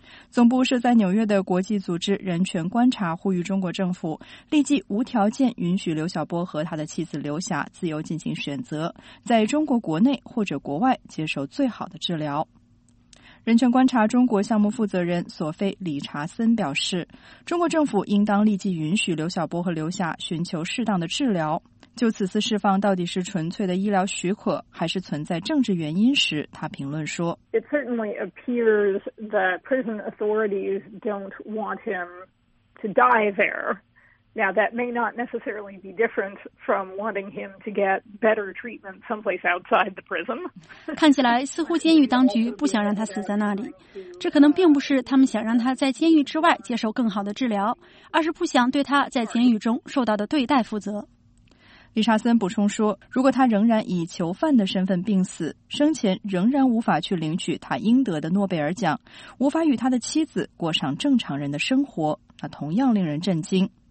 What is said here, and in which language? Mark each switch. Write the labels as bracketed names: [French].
[Chinese] 总部设在纽约的国际组织人权观察呼吁中国政府立即无条件允许刘晓波和他的妻子刘霞自由进行选择，在中国国内或者国外接受最好的治疗。人权观察中国项目负责人索菲·理查森表示，中国政府应当立即允许刘晓波和刘霞寻求适当的治疗。就此次释放到底是纯粹的医疗许可，还是存在政治原因时，他评论说 [English] ：“It certainly appears that prison authorities don't want him to die there. Now that may not necessarily be different from wanting him to get better treatment someplace outside the prison. [Chinese] 看起来似乎监狱当局不想让他死在那里，这可能并不是他们想让他在监狱之外接受更好的治疗，而是不想对他在监狱中受到的对待负责。” 理查森补充说，如果他仍然以囚犯的身份病死，生前仍然无法去领取他应得的诺贝尔奖，无法与他的妻子过上正常人的生活，那同样令人震惊。